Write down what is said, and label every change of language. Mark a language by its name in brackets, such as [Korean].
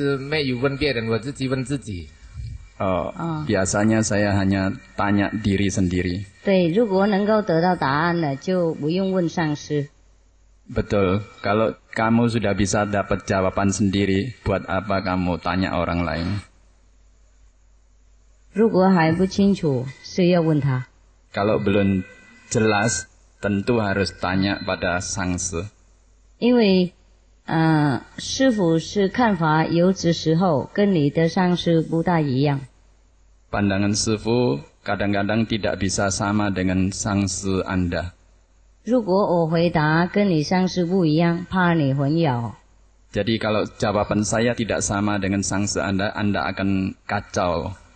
[Chinese] 平常我自己是没有问别人，我自己问自己。 [Indonesian] Biasanya saya hanya tanya diri sendiri. [Chinese] 对，如果能够得到答案了，就不用问上司。 [Indonesian] Betul, kalau kamu sudah bisa dapat jawaban sendiri, buat apa kamu tanya orang lain? [Chinese] 如果还不清楚，是要问他。 [Indonesian] Kalau belum jelas, tentu harus tanya pada sangsi. [Chinese] 因为 师父是看法有之时候跟你的上司不大一样。 [Indonesian] Pandangan Sifu kadang-kadang tidak bisa sama dengan sangsi Anda. [Chinese] 如果我回答跟你上司不一样，怕你混淆。 [Indonesian] Jadi kalau jawaban saya tidak sama dengan sangsi Anda, Anda akan kacau.